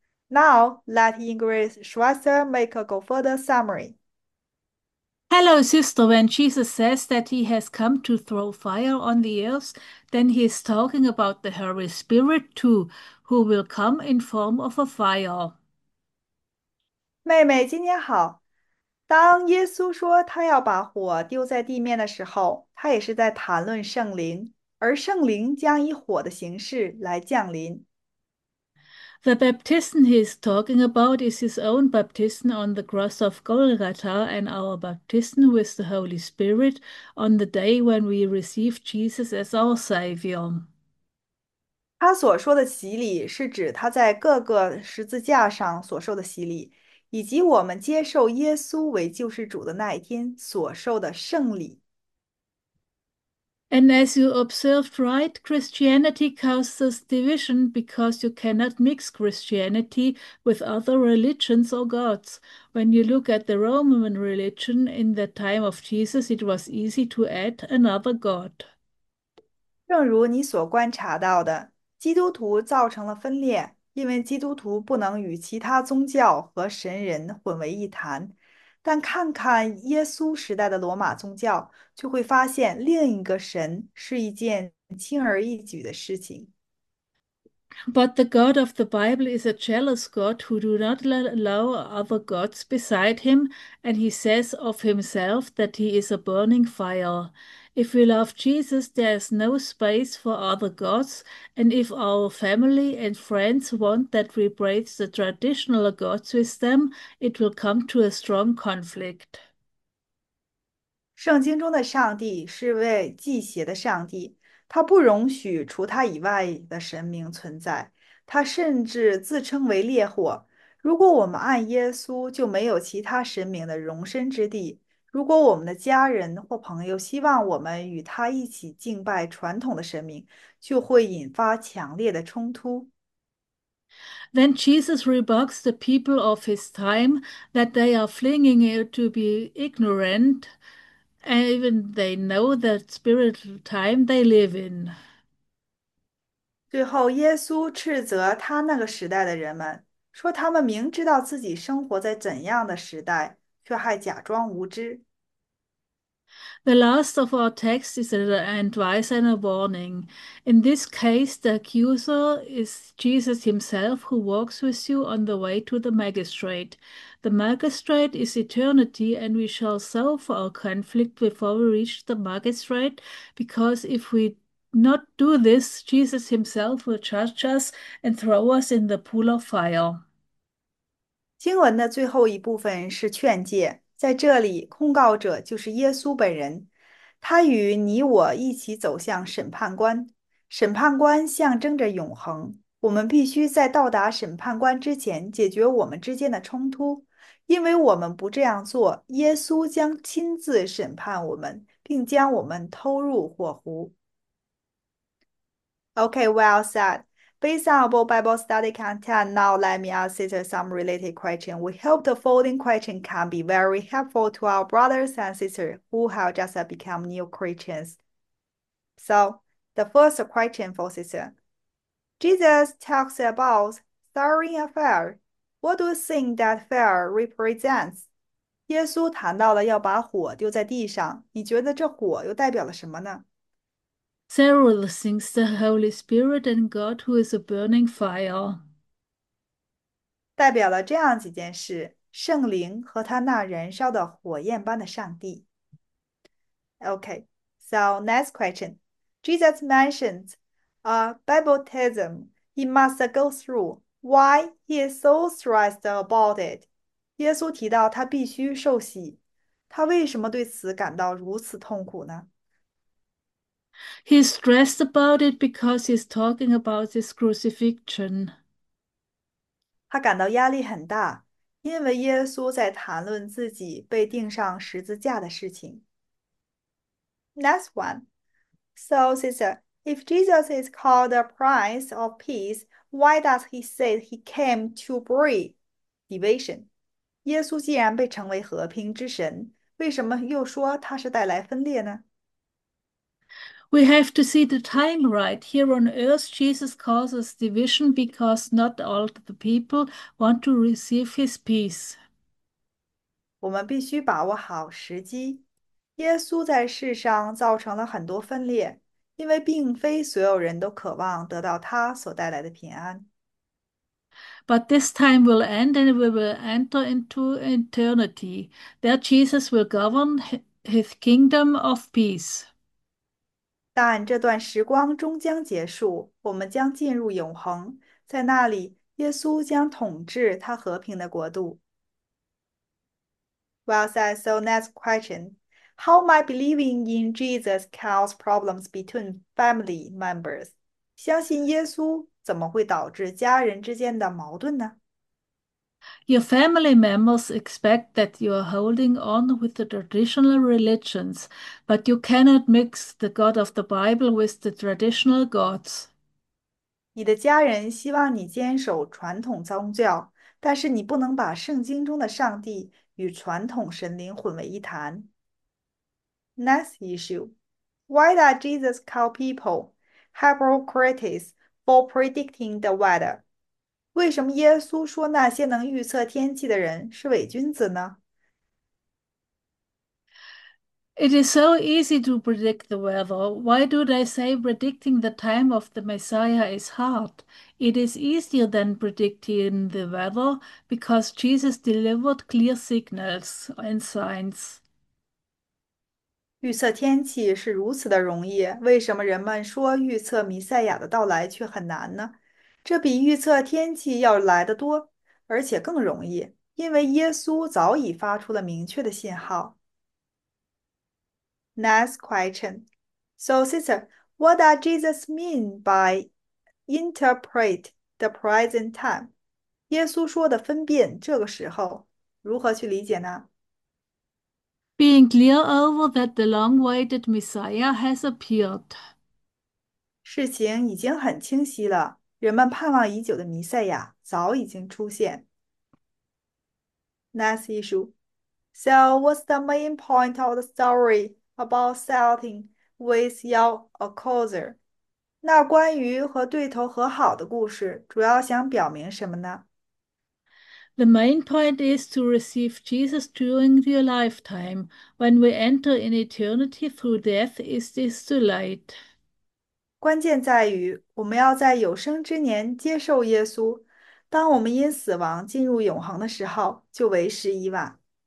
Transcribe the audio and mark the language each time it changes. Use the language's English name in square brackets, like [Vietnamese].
[English] Now, let Ingrid Schweitzer make a go further summary. Hello, sister. When Jesus says that he has come to throw fire on the earth, then he's talking about the Holy Spirit too, who will come in form of a fire. [Chinese] 妹妹，今天好。当耶稣说他要把火丢在地面的时候，他也是在谈论圣灵。而圣灵将以火的形式来降临。 [English] The baptism he's talking about is his own baptism on the cross of Golgotha and our baptism with the Holy Spirit on the day when we receive Jesus as our Savior. [Chinese] 他所说的洗礼是指他在各个十字架上所受的洗礼，以及我们接受耶稣为救世主的那一天所受的圣礼。 [English] And as you observed, right, Christianity causes division because you cannot mix Christianity with other religions or gods. When you look at the Roman religion in the time of Jesus, it was easy to add another god. [Chinese] 正如你所观察到的，基督徒造成了分裂，因为基督徒不能与其他宗教和神人混为一谈。但看看耶稣时代的罗马宗教，就会发现另一个神是一件轻而易举的事情。 [English] But the God of the Bible is a jealous God who do not allow other gods beside him, and he says of himself that he is a burning fire. If we love Jesus, there is no space for other gods, and if our family and friends want that we break the traditional gods with them, it will come to a strong conflict. [Chinese] 圣经中的上帝是位忌邪的上帝，他不容许除他以外的神明存在，他甚至自称为烈火。如果我们爱耶稣，就没有其他神明的容身之地。如果我们的家人或朋友希望我们与他一起敬拜传统的神明，就会引发强烈的冲突。 [English] Then Jesus rebukes the people of his time that they are flinging it to be ignorant, and even they know the spiritual time they live in. [Chinese] 最后，耶稣斥责他那个时代的人们，说他们明知道自己生活在怎样的时代，却还假装无知。 [English] The last of our texts is an advice and a warning. In this case, the accuser is Jesus himself who walks with you on the way to the magistrate. The magistrate is eternity, and we shall solve our conflict before we reach the magistrate, because if we not do this, Jesus himself will judge us and throw us in the pool of fire. [Chinese] 经文的最后一部分是劝诫，在这里，控告者就是耶稣本人，他与你我一起走向审判官。审判官象征着永恒，我们必须在到达审判官之前解决我们之间的冲突，因为我们不这样做，耶稣将亲自审判我们，并将我们拖入火湖。 [English] Okay, well said. Based on our Bible study content, now let me ask sisters some related questions. We hope the following question can be very helpful to our brothers and sisters who have just become new Christians. So, the first question for sister. Jesus talks about starting a fire. What do you think that fire represents? [Chinese] 耶稣谈到了要把火丢在地上，你觉得这火又代表了什么呢？ [English] Several things, the Holy Spirit and God, who is a burning fire. [Chinese] 代表了这样几件事：圣灵和他那燃烧的火焰般的上帝。 [English] Okay, so next question. Jesus mentions a baptism he must go through. Why he is so stressed about it? [Chinese] 耶稣提到他必须受洗，他为什么对此感到如此痛苦呢？ [English] He's stressed about it because he's talking about this crucifixion. [Chinese] 他感到压力很大，因为耶稣在谈论自己被钉上十字架的事情。 [English] Next one. So, sister, if Jesus is called the Prince of Peace, why does he say he came to bring division? [Chinese] 耶稣既然被称为和平之神，为什么又说他是带来分裂呢？ [English] We have to see the time right. Here on earth, Jesus causes division because not all the people want to receive his peace. [Chinese] 我们必须把握好时机。耶稣在世上造成了很多分裂，因为并非所有人都渴望得到他所带来的平安。 [English] But this time will end and we will enter into eternity. There, Jesus will govern his kingdom of peace. [Chinese] 但这段时光终将结束，我们将进入永恒，在那里，耶稣将统治他和平的国度。 [English] Well said. So next question. How might believing in Jesus cause problems between family members? [Chinese] 相信耶稣怎么会导致家人之间的矛盾呢？ [English] Your family members expect that you are holding on with the traditional religions, but you cannot mix the God of the Bible with the traditional gods. [Chinese] 你的家人希望你坚守传统宗教，但是你不能把圣经中的上帝与传统神灵混为一谈。 [English] Next issue. Why does Jesus call people Hippocrates for predicting the weather? [Chinese] 为什么耶稣说那些能预测天气的人是伪君子呢？ [English] It is so easy to predict the weather. Why do they say predicting the time of the Messiah is hard? It is easier than predicting the weather because Jesus delivered clear signals and signs. [Chinese] 预测天气是如此的容易，为什么人们说预测弥赛亚的到来却很难呢？这比预测天气要来得多，而且更容易，因为耶稣早已发出了明确的信号。 [English] Next question. So, sister, what does Jesus mean by interpret the present time? [Chinese] 耶稣说的分辨这个时候，如何去理解呢？ [English] Being clear over that the long-awaited Messiah has appeared. [Chinese] 事情已经很清晰了，人们盼望已久的弥赛亚早已经出现。 [English] Next issue. So, what's the main point of the story about sitting with your accuser? [Chinese] 那关于和对头和好的故事，主要想表明什么呢？ [English] The main point is to receive Jesus during your lifetime. When we enter in eternity through death, is this too late? [Chinese] 关键在于，我们要在有生之年接受耶稣。当我们因死亡进入永恒的时候，就为时已晚。